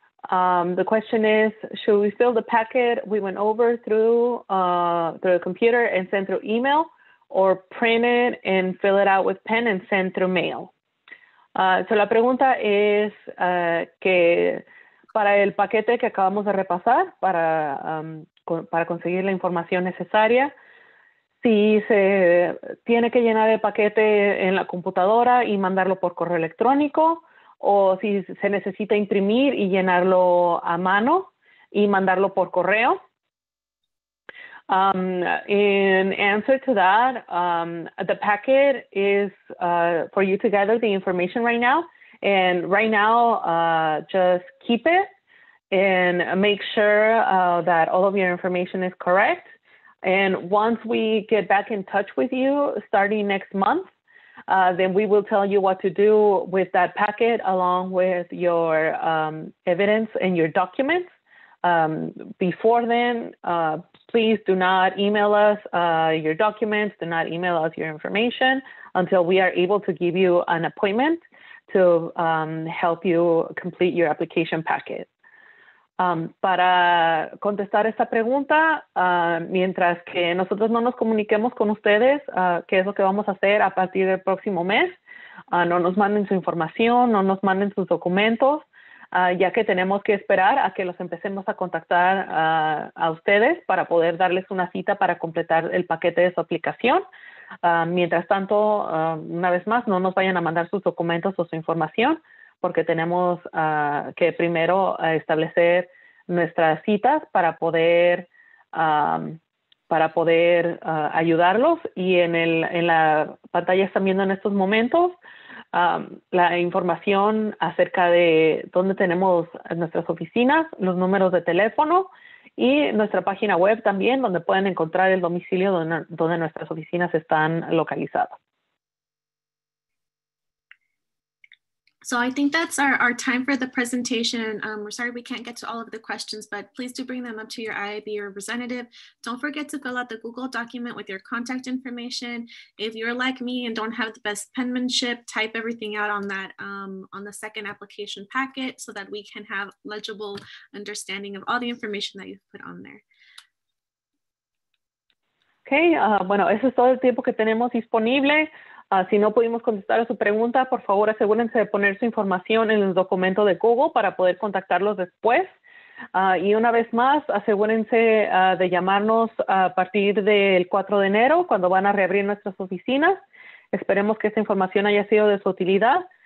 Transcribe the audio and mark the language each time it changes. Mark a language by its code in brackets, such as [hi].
[en] The question is, should we fill the packet we went over through the computer and send through email, or print it and fill it out with pen and send through mail? [es] So la pregunta es que para el paquete que acabamos de repasar, para conseguir la información necesaria, si se tiene que llenar el paquete en la computadora y mandarlo por correo electrónico, o si se necesita imprimir y llenarlo a mano y mandarlo por correo. [en] In answer to that, the packet is for you to gather the information right now. And right now, just keep it and make sure that all of your information is correct. And once we get back in touch with you starting next month, then we will tell you what to do with that packet along with your evidence and your documents. Before then, please do not email us your documents, do not email us your information until we are able to give you an appointment to help you complete your application packet. [es] Para contestar esta pregunta, mientras que nosotros no nos comuniquemos con ustedes, qué es lo que vamos a hacer a partir del próximo mes, no nos manden su información, no nos manden sus documentos, ya que tenemos que esperar a que los empecemos a contactar a ustedes para poder darles una cita para completar el paquete de su aplicación. Mientras tanto, una vez más, no nos vayan a mandar sus documentos o su información, porque tenemos que primero establecer nuestras citas para poder ayudarlos. Y en la pantalla están viendo en estos momentos la información acerca de dónde tenemos nuestras oficinas, los números de teléfono y nuestra página web también, donde pueden encontrar el domicilio donde nuestras oficinas están localizadas. [en] So I think that's our time for the presentation. We're sorry we can't get to all of the questions, but please do bring them up to your IIB representative. Don't forget to fill out the Google document with your contact information. If you're like me and don't have the best penmanship, type everything out on that on the second application packet so that we can have legible understanding of all the information that you've put on there. [es] Okay, bueno, eso es todo el tiempo que tenemos disponible. Si no pudimos contestar a su pregunta, por favor asegúrense de poner su información en el documento de Google para poder contactarlos después. Y una vez más, asegúrense de llamarnos a partir del 4 de enero cuando van a reabrir nuestras oficinas. Esperemos que esta información haya sido de su utilidad.